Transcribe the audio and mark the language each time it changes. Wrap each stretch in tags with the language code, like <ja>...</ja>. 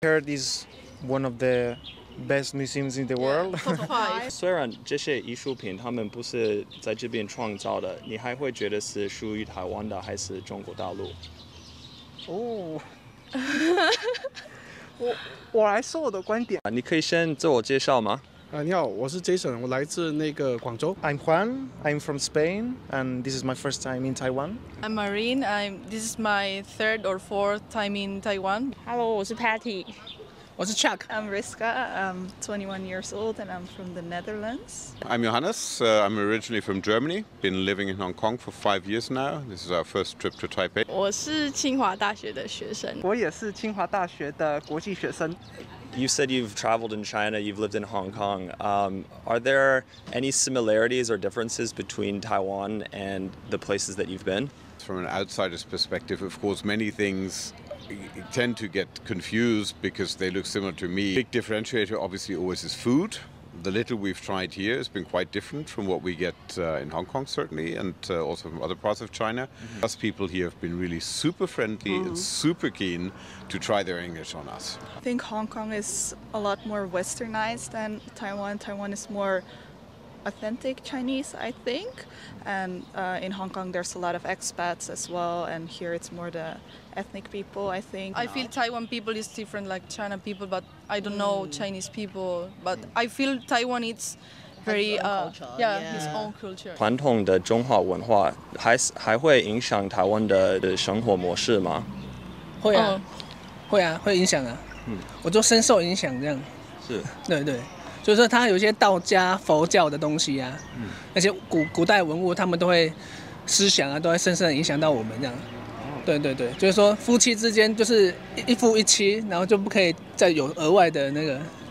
<en>heard is one of the best museums in the world. Yeah,</en> <zh>虽然这些艺术品他们不是在这边创造的，你还会觉得是属于台湾的还是中国大陆？哦。我来说我的观点。你可以先自我介绍吗？你好，我是 Jason， 我来自那个广州。</zh> <en>I'm Juan. I'm from Spain, and this is my first time in Taiwan. I'm Marine. This is my third or fourth time in Taiwan.</en> <zh>Hello, 我是 Patty。我是 Chuck.</zh> <en>I'm Riska. I'm 21 years old, and I'm from the Netherlands. I'm Johannes. I'm originally from Germany. Been living in Hong Kong for 5 years now. This is our first trip to Taipei.</en> <zh>我是清华大学的学生。我也是清华大学的国际学生。</zh> <en>You said you've traveled in China, you've lived in Hong Kong. Are there any similarities or differences between Taiwan and the places that you've been? From an outsider's perspective, of course, many things tend to get confused because they look similar to me. Big differentiator obviously always is food. The little we've tried here has been quite different from what we get in Hong Kong, certainly, and also from other parts of China. Mm-hmm. Us people here have been really super friendly mm-hmm. and super keen to try their English on us. I think Hong Kong is a lot more westernized than Taiwan. Taiwan is more authentic Chinese, I think. And in Hong Kong, there's a lot of expats as well. And here it's more the ethnic people, I think. I feel Taiwan people is different like China people, but I don't know Chinese people. But I feel Taiwan is very, his own culture.</en> <zh>传统的中华文化还会影响台湾的生活模式吗？会啊，会啊，会影响啊。我就深受影响这样。是。对对。就是它有些道家佛教的东西啊、嗯、那些 古代文物他们都会思想啊都会深深影响到我们这样、哦、对对对就是说夫妻之间就是一夫一妻然后就不可以再有额外的那个</zh>